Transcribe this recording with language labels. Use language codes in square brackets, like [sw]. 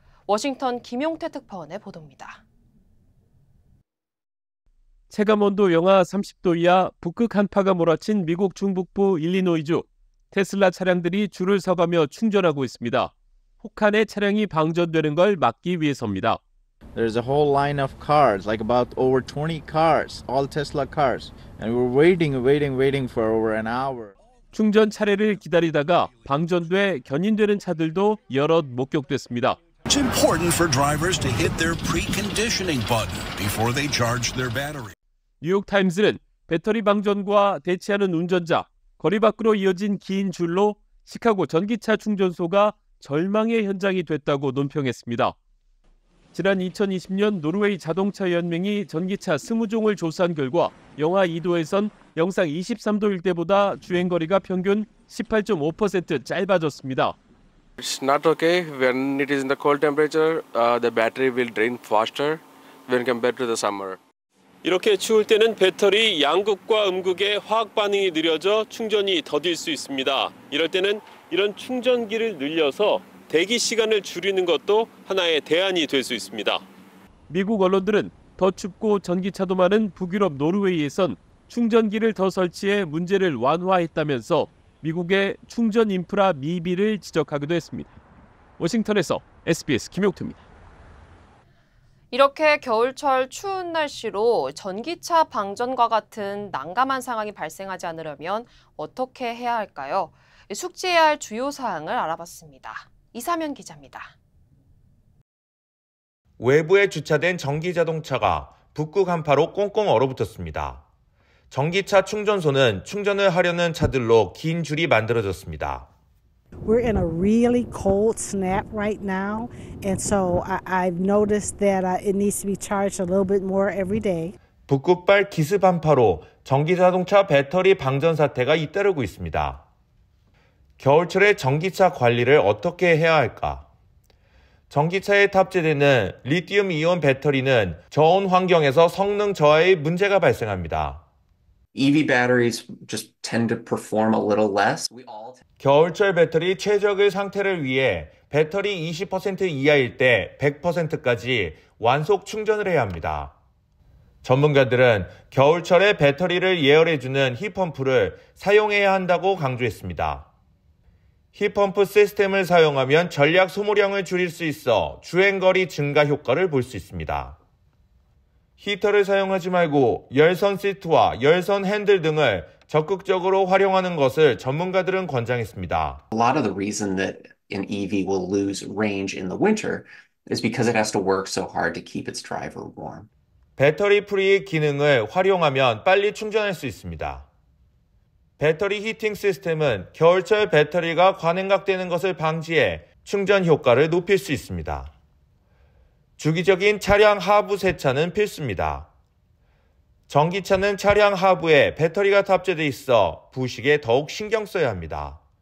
[ko] 워싱턴 김용태 특파원의 보도입니다. 체감온도 영하 30도 이하 북극 한파가 몰아친 미국 중북부 일리노이주 테슬라 차량들이 줄을 서가며 충전하고 있습니다. 혹한의 차량이 방전되는 걸 막기 위해서입니다. [en] There's a whole line of cars, like about over 20 cars, all Tesla cars, and we're waiting for over an hour. [ko] 충전 차례를 기다리다가 방전돼 견인되는 차들도 여럿 목격됐습니다. [en] It's important for drivers to hit their preconditioning button before they charge their battery. [ko] 뉴욕 타임스는 배터리 방전과 대치하는 운전자, 거리 밖으로 이어진 긴 줄로 시카고 전기차 충전소가 절망의 현장이 됐다고 논평했습니다. 지난 2020년 노르웨이 자동차 연맹이 전기차 20종을 조사한 결과 영하 2도에선 영상 23도 일대보다 주행 거리가 평균 18.5% 짧아졌습니다. [en] It's not okay when it is in the cold temperature. The battery will drain faster when compared to the summer. [ko] 이렇게 추울 때는 배터리 양극과 음극의 화학 반응이 느려져 충전이 더딜 수 있습니다. 이럴 때는 이런 충전기를 늘려서 대기 시간을 줄이는 것도 하나의 대안이 될 수 있습니다. 미국 언론들은 더 춥고 전기차도 많은 북유럽 노르웨이에선 충전기를 더 설치해 문제를 완화했다면서 미국의 충전 인프라 미비를 지적하기도 했습니다. 워싱턴에서 SBS 김용태입니다. 이렇게 겨울철 추운 날씨로 전기차 방전과 같은 난감한 상황이 발생하지 않으려면 어떻게 해야 할까요? 숙지해야 할 주요 사항을 알아봤습니다. 이사면 기자입니다. 외부에 주차된 전기자동차가 북극 한파로 꽁꽁 얼어붙었습니다. 전기차 충전소는 충전을 하려는 차들로 긴 줄이 만들어졌습니다. [en] We're in a really cold snap right now, and so I've noticed that it needs to be charged a little bit more every day. [ko] 북극발 기습 한파로 전기자동차 배터리 방전 사태가 잇따르고 있습니다. 겨울철에 전기차 관리를 어떻게 해야 할까? 전기차에 탑재되는 리튬 이온 배터리는 저온 환경에서 성능 저하의 문제가 발생합니다. [en] EV batteries just tend to perform a little less. [ko] 겨울철 배터리 최적의 상태를 위해 배터리 20% 이하일 때 100%까지 완속 충전을 해야 합니다. 전문가들은 겨울철에 배터리를 예열해주는 힛펌프를 사용해야 한다고 강조했습니다. 힛펌프 시스템을 사용하면 전력 소모량을 줄일 수 있어 주행거리 증가 효과를 볼 수 있습니다. 히터를 사용하지 말고 열선 시트와 열선 핸들 등을 적극적으로 활용하는 것을 전문가들은 권장했습니다. [en] A lot of the reason that an EV will lose range in the winter is because it has to work so hard to keep its driver warm. [ko] 배터리 프리 기능을 활용하면 빨리 충전할 수 있습니다. 배터리 히팅 시스템은 겨울철 배터리가 과냉각되는 것을 방지해 충전 효과를 높일 수 있습니다. 주기적인 차량 하부 세차는 필수입니다. 전기차는 차량 하부에 배터리가 탑재돼 있어 부식에 더욱 신경 써야 합니다.